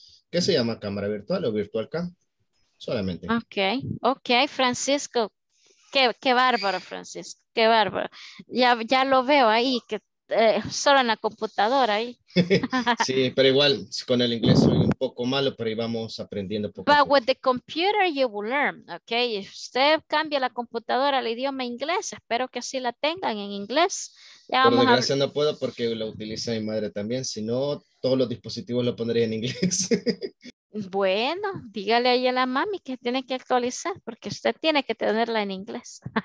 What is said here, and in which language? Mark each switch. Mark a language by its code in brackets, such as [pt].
[es] ¿Qué se llama cámara virtual o virtual cam? Solamente. Ok, ok, Francisco. Qué bárbaro, Francisco, qué bárbaro. Ya lo veo ahí, que solo en la computadora ahí. Sí, pero igual, con el inglés soy un poco malo, pero ahí vamos aprendiendo poco. [en] But with the computer you will learn, ok. [es] If usted cambia la computadora al idioma inglés, espero que así la tengan en inglés. Ya vamos, por desgracia no puedo porque lo utiliza mi madre también, si no... Todos los dispositivos lo pondría en inglés. Bueno, dígale ahí a la mami que tiene que actualizar, porque usted tiene que tenerla en inglés.